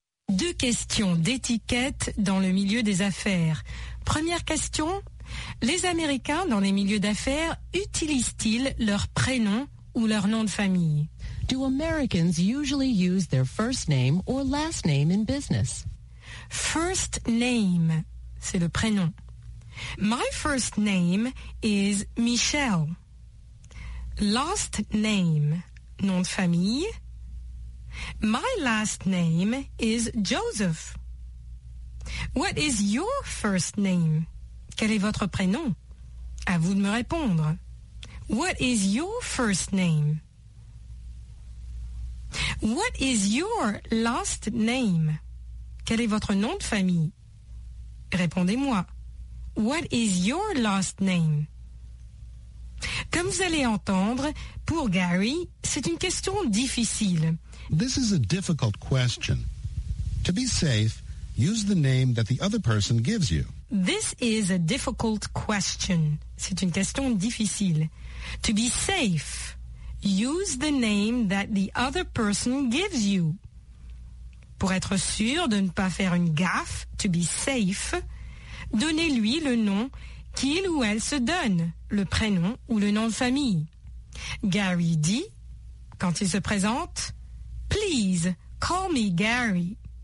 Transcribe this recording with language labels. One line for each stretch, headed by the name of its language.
French: Deux questions d'étiquette dans le milieu des affaires. Première question, les Américains dans les milieux d'affaires utilisent-ils leur prénom ou leur nom de famille?
English: Do Americans usually use their first name or last name in business? First name,
French: c'est le prénom.
English: My first name is Michelle. Last name,
French: nom de famille.
English: My last name is Joseph. What is your first name?
French: Quel est votre prénom? À vous de me répondre.
English: What is your first name? What is your last name?
French: Quel est votre nom de famille? Répondez-moi.
English: What is your last name?
French: Comme vous allez entendre, pour Gary, c'est une question difficile.
English: This is a difficult question. To be safe, use the name that the other person gives you. This is a difficult question.
French: C'est une question difficile.
English: To be safe, use the name that the other person gives you.
French: Pour être sûr de ne pas faire une gaffe,
English: to be safe,
French: donnez-lui le nom qu'il ou elle se donne, le prénom ou le nom de famille. Gary dit, quand il se présente,
English: please call me Gary.